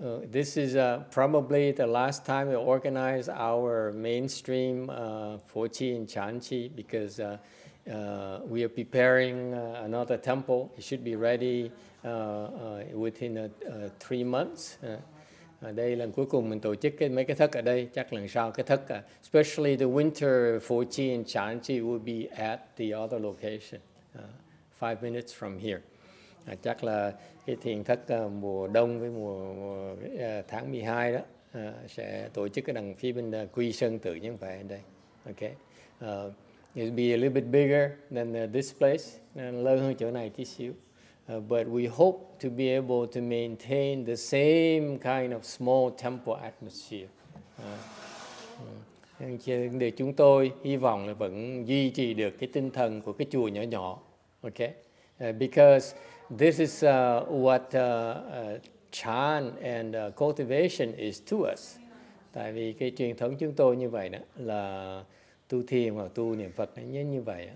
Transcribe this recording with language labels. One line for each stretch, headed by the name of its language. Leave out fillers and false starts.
English: this is probably the last time we organize our mainstream Phổ Chi and Chán Chi because we are preparing another temple. It should be ready within 3 months.
Vietnamese: Đây lần cuối cùng mình tổ chức cái mấy cái thất ở đây, chắc lần sau cái thất
English: especially the winter Phổ Chi and Chán Chi
Vietnamese: will be at the other location, 5 minutes from here. Chắc là cái thiền thất mùa đông với mùa tháng 12 đó sẽ tổ chức cái đằng phía bên Quy Sơn Tự Nhân Vệ đây.
English: Okay. It'll be a little bit bigger than this place,
Vietnamese: lớn hơn chỗ này tí xíu.
English: But we hope to be able to maintain the same kind of small temple atmosphere.
Vietnamese: Để chúng tôi hy vọng là vẫn duy trì được cái tinh thần của cái chùa nhỏ nhỏ.
English: Okay. Because this is what chan and cultivation is to us.
Vietnamese: Tại vì cái truyền thống chúng tôi như vậy đó là tu thiền hoặc tu niệm Phật như vậy.